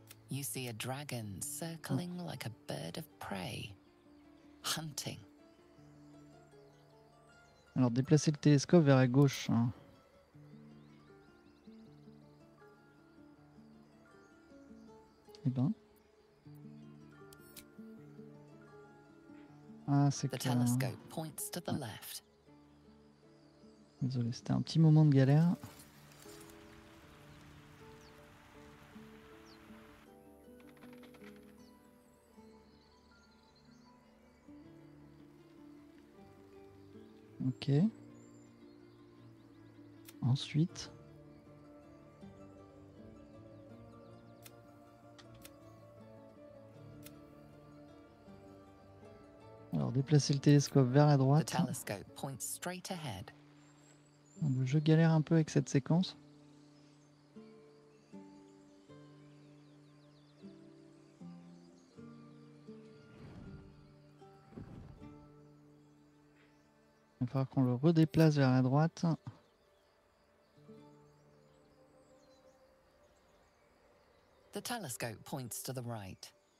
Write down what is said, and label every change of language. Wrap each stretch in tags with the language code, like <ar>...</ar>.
<en>You see a dragon circling like a bird of prey, hunting.</en> <fr>Alors déplacez le télescope vers la gauche. Hein. Eh ben. Ah, c'est</fr> <en>clair. The telescope points to the left.</en> <fr>Désolé, c'était un petit moment de galère. Ok. Ensuite. Alors, déplacer le télescope vers la droite.</fr> <en>The telescope points straight ahead.</en> <fr>Je galère un peu avec cette séquence. Il va falloir qu'on le redéplace vers la droite.</fr> <en>The telescope points to the right.</en>